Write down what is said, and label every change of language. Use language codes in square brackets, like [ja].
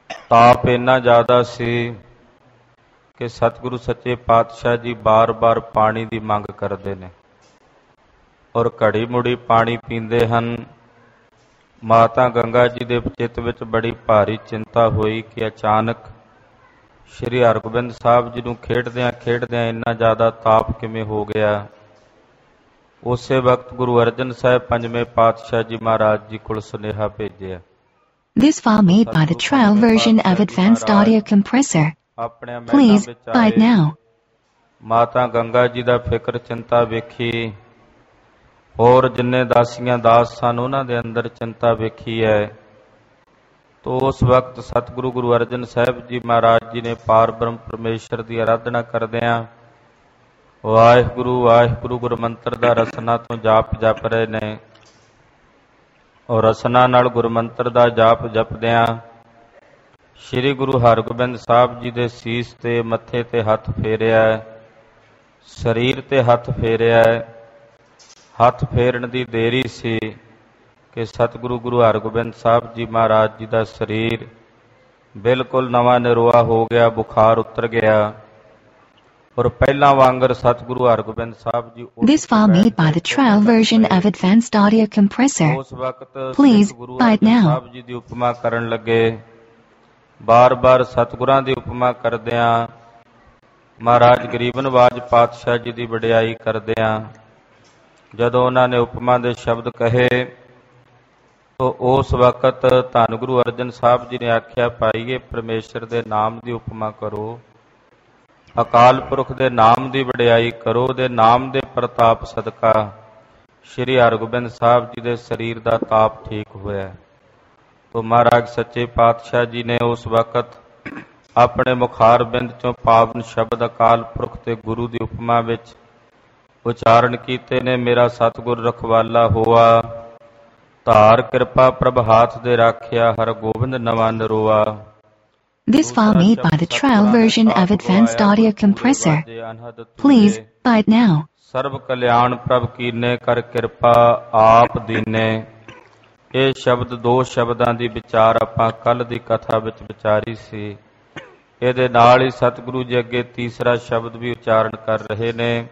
[pa] ਤਾਪ ਇੰਨਾ ਜ਼ਿਆਦਾ ਸੀ ਕਿ ਸਤਿਗੁਰੂ ਸੱਚੇ ਪਾਤਸ਼ਾਹ ਜੀ ਬਾਰ ਬਾਰ ਪਾਣੀ ਦੀ ਮੰਗ ਕਰਦੇ ਨੇ ਔਰ ਘੜੀ ਮੁੜੀ ਪਾਣੀ ਪੀਂਦੇ ਹਨ ਮਾਤਾ ਗੰਗਾ ਜੀ ਦੇ ਚਿੱਤ ਵਿੱਚ ਬੜੀ ਭਾਰੀ ਚਿੰਤਾ ਹੋਈ ਕਿ ਅਚਾਨਕ ਸ੍ਰੀ ਹਰਗੋਬਿੰਦ ਸਾਹਿਬ ਜੀ ਨੂੰ ਖੇਡਦਿਆਂ ਇੰਨਾ ਜ਼ਿਆਦਾ ਤਾਪ ਕਿਵੇਂ ਹੋ ਗਿਆ ਉਸੇ ਵਕਤ ਗੁਰੂ ਅਰਜਨ ਸਾਹਿਬ ਪੰਜਵੇਂ ਪਾਤਸ਼ਾਹ ਜੀ ਮਹਾਰਾਜ ਜੀ ਕੋਲ ਸੁਨੇਹਾ ਭੇਜਿਆ [en] This file made by the trial version of Advanced Audio Compressor. [pa] ਆਪਣੇ ਮਨ ਵਿੱਚ [en] ਆਏ ਬਾਈ ਨਾਓ [pa] ਮਾਤਾ ਗੰਗਾ ਜੀ ਦਾ ਫਿਕਰ ਚਿੰਤਾ ਵੇਖੀ ਹੋਰ ਜਿੰਨੇ ਦਾਸੀਆਂ ਦਾਸ ਸਨ ਉਹਨਾਂ ਦੇ ਅੰਦਰ ਚਿੰਤਾ ਵੇਖੀ ਹੈ ਤੋ ਉਸ ਵਕਤ ਸਤਿਗੁਰੂ ਗੁਰੂ ਅਰਜਨ ਸਾਹਿਬ ਜੀ ਮਹਾਰਾਜ ਜੀ ਨੇ ਪਾਰ ਬ੍ਰਹਮ ਪਰਮੇਸ਼ਰ ਦੀ ਆਰਾਧਨਾ ਕਰਦਿਆਂ ਵਾਹਿਗੁਰੂ ਗੁਰਮੰਤਰ ਦਾ ਰਸਨਾ ਤੋਂ ਜਾਪ ਜਪ ਰਹੇ ਨੇ ਔਰ ਰਸਨਾ ਨਾਲ ਗੁਰਮੰਤਰ ਦਾ ਜਾਪ ਜਪਦਿਆਂ ਸ੍ਰੀ ਗੁਰੂ ਹਰਗੋਬਿੰਦ ਸਾਹਿਬ ਜੀ ਦੇ ਸੀਸ ਤੇ ਮੱਥੇ ਤੇ ਹੱਥ ਫੇਰਿਆ ਸਰੀਰ ਤੇ ਹੱਥ ਫੇਰਿਆ ਹੱਥ ਫੇਰਨ ਦੀ ਦੇਰੀ ਸੀ ਕਿ ਸਤਿਗੁਰੂ ਗੁਰੂ ਹਰਗੋਬਿੰਦ ਸਾਹਿਬ ਜੀ ਮਹਾਰਾਜ ਜੀ ਦਾ ਸਰੀਰ ਬਿਲਕੁਲ ਨਵਾਂ ਨਿਰੋਆ ਹੋ ਗਿਆ ਬੁਖਾਰ ਉਤਰ ਗਿਆ ਔਰ ਪਹਿਲਾਂ ਵਾਂਗਰ ਸਤਿਗੁਰੂ Hargobind Sahib ji [en] This file made by the trial version of Advanced Audio Compressor. [pa] ਉਸ ਵਕਤ ਗੁਰੂ ਅਰਜਨ ਸਾਹਿਬ ਜੀ ਦੀ ਉਪਮਾ ਕਰਨ ਲੱਗੇ ਬਾਰ ਬਾਰ ਸਤਿਗੁਰਾਂ ਦੀ ਉਪਮਾ ਕਰਦਿਆਂ ਮਹਾਰਾਜ ਗਰੀਬ ਨਵਾਜ ਪਾਤਸ਼ਾਹ ਜੀ ਦੀ ਵਡਿਆਈ ਕਰਦਿਆਂ ਜਦੋਂ ਉਹਨਾਂ ਨੇ ਉਪਮਾ ਦੇ ਸ਼ਬਦ ਕਹੇ ਉਸ ਵਕਤ ਧੰਨ ਗੁਰੂ ਅਰਜਨ ਸਾਹਿਬ ਜੀ ਨੇ ਆਖਿਆ ਪਾਈਏ ਪਰਮੇਸ਼ਰ ਦੇ ਨਾਮ ਦੀ ਉਪਮਾ ਕਰੋ ਅਕਾਲ ਪੁਰਖ ਦੇ ਨਾਮ ਦੀ ਵਡਿਆਈ ਕਰੋ ਦੇ ਨਾਮ ਦੇ ਪ੍ਰਤਾਪ ਸਦਕਾ ਸ੍ਰੀ ਹਰਗੋਬਿੰਦ ਸਾਹਿਬ ਜੀ ਦੇ ਸਰੀਰ ਦਾ ਤਾਪ ਠੀਕ ਹੋਇਆ ਤੋ ਮਹਾਰਾਜ ਸੱਚੇ ਪਾਤਸ਼ਾਹ ਜੀ ਨੇ ਉਸ ਵਕਤ ਆਪਣੇ ਮੁਖਾਰ ਬਿੰਦ ਚੋਂ ਪਾਵਨ ਸ਼ਬਦ ਅਕਾਲ ਪੁਰਖ ਤੇ ਗੁਰੂ ਦੀ ਉਪਮਾ ਵਿੱਚ ਉਚਾਰਨ ਕੀਤੇ ਨੇ ਮੇਰਾ ਸਤਿਗੁਰ ਰਖਵਾਲਾ ਹੋਆ ਧਾਰ ਕਿਰਪਾ ਪ੍ਰਭ ਹਾਥ ਦੇ ਰਾਖਿਆ ਹਰ ਗੋਬਿੰਦ ਨਵਾਂ ਨਰੋਆ [en] This file made by the trial version of Advanced Audio Compressor. Please buy it now. [pa] ਸਰਬ ਕਲਿਆਣ ਪ੍ਰਭ ਕੀਨੇ ਕਰ ਕਿਰਪਾ ਆਪ ਦੀਨੇ ਇਹ ਸ਼ਬਦ ਦੋ ਸ਼ਬਦਾਂ ਦੀ ਵਿਚਾਰ ਆਪਾਂ ਕੱਲ੍ਹ ਦੀ ਕਥਾ ਵਿੱਚ ਵਿਚਾਰੀ ਸੀ ਇਹਦੇ ਨਾਲ ਹੀ ਸਤਿਗੁਰੂ ਜੀ ਅੱਗੇ ਤੀਸਰਾ ਸ਼ਬਦ ਵੀ ਉਚਾਰਨ ਕਰ ਰਹੇ ਨੇ